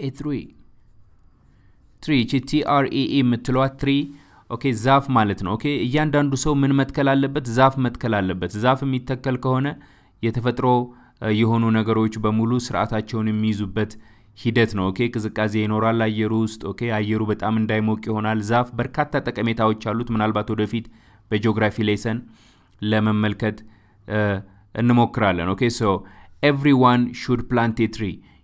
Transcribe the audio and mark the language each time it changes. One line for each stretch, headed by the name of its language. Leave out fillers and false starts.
English: Everyone should plant a tree. Tree, T-R-E-E,
Amharic: ምትለዋ
English: tree.
Amharic: Okay, ዛፍ ማለት ነው. Okay, እያንዳንዱ ሰው ምን መትከል አለበት? ዛፍ መትከል አለበት. ዛፍ የሚተከል ከሆነ የተፈጥሮ የሆኑ ነገሮች በሙሉ ስርዓታቸውን የሚይዙበት ሂደት ነው. Okay, ቅዝቃዜ ይኖራል አየሩ ውስጥ. Okay, አየሩ በጣም እንዳይሞቅ ይሆናል. ዛፍ በርካታ ጠቀሜታዎች አሉት. ምናልባት ወደፊት በጂኦግራፊ ሌሰን ለመመልከት እንሞክራለን. ኦኬ ሶ
English: everyone should plant a tree.